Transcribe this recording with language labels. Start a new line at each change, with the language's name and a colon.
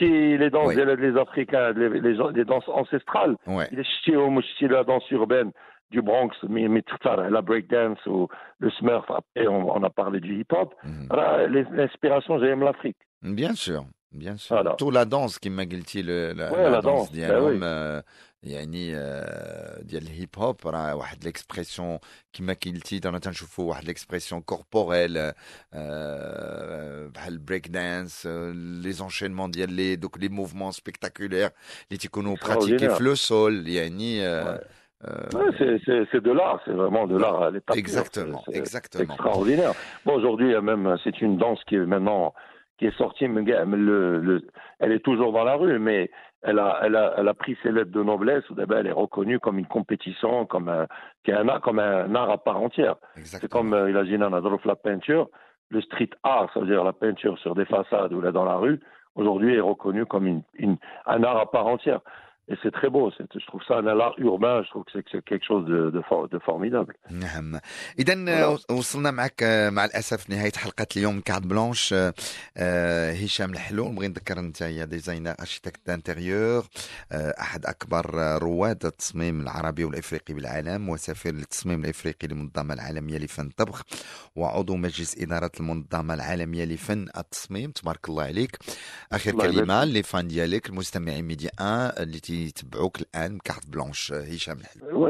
French: Les Africains, les danses ancestrales. La danse urbaine du Bronx, la breakdance ou le smurf, après on a parlé du hip-hop. L'inspiration, j'aime l'Afrique. Bien sûr. Voilà. Tout la danse qui m'agilti la danse d'un homme.
Arabic: يعني ديال الهيب هوب راه واحد ليكسبريسيون كيما كيلتي دانا تنشوفوا واحد
French: ليكسبريسيون كوربوريل
Arabic: بحال بريك دانس لي زونشينمون ديال لي دوك
French: لي موفمون سبيكتاكولير
Arabic: لي تيكونوا براتيكي في لو سول يعني
French: c'est de l'art, c'est vraiment de l'art à l'état. Exactement. C'est extraordinaire. Bon, aujourd'hui même c'est une danse qui est sortie, elle est toujours dans la rue, mais elle a pris ses lettres de noblesse. D'abord, elle est reconnue comme une compétition, comme un art à part entière. Exactement. C'est comme la peinture, le street art, c'est-à-dire la peinture sur des façades ou là dans la rue. Aujourd'hui, est reconnue comme un art à part entière. Et c'est très beau, je trouve ça un art urbain, je trouve que c'est quelque chose de formidable.
Arabic: نعم. اذا وصلنا معك مع الاسف نهايه حلقه اليوم كارت بلانش هشام الحلو نبغي نذكر انت يا
French: ديزاينر اركيتكت انتيريور
Arabic: احد اكبر رواد التصميم العربي والافريقي بالعالم وسفير للتصميم الافريقي للمنظمه العالميه لفن الطبخ وعضو مجلس اداره المنظمه العالميه لفن التصميم تبارك الله عليك اخر كلمه للفان ديالك المستمعين ميديا تتبعوك الان كارت بلانش هشام الحلو